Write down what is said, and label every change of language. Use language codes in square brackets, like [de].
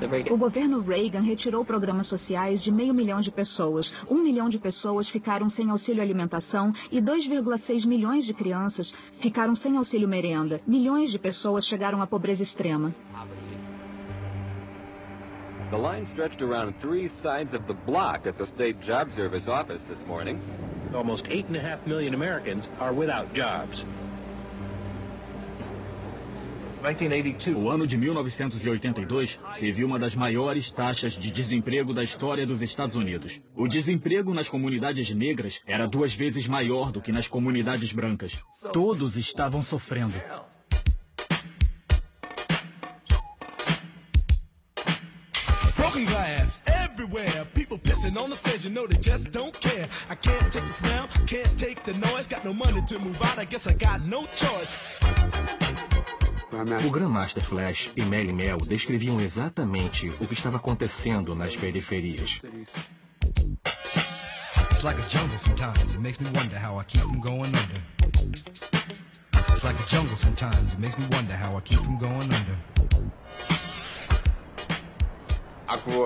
[pt] O governo Reagan retirou programas sociais de 500 mil de pessoas. 1 milhão de pessoas ficaram sem auxílio alimentação e 2,6 milhões de crianças ficaram sem auxílio merenda. Milhões de pessoas chegaram à pobreza extrema. [en] The line stretched around three sides of the block at the State Job Service office this morning. Almost 8.5 million Americans are without jobs. [pt] O ano de 1982 teve uma das maiores taxas de desemprego da história dos Estados Unidos. O desemprego nas comunidades negras era 2 vezes maior do que nas comunidades brancas. Todos estavam sofrendo. [en] Broken glass everywhere, people pissing on the stage, you know they just don't care. I can't take the smell, can't take the noise, got no money to move out, I guess I got no choice. [pt] O Grandmaster Flash e Melly Mel descreviam exatamente o que estava acontecendo nas periferias. [en] It's like a jungle sometimes, it makes me wonder how I keep from going under. It's like a jungle sometimes, it makes me wonder how I keep from going under.